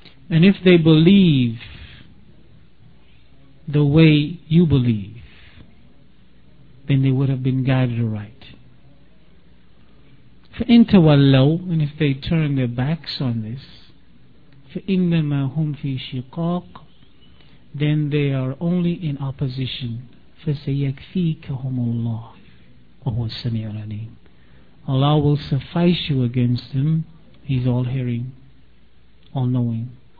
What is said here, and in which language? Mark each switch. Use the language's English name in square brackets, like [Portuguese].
[English] And if they believe the way you believe, then they would have been guided aright. [Arabic] فإن تولوا, [English] and if they turn their backs on this, [Arabic] فإنما هم في شقاق, [English] then they are only in opposition. [Arabic] فسيكفيكهم الله وهو السميع العليم. [English] Allah will suffice you against them. He's all hearing, all knowing.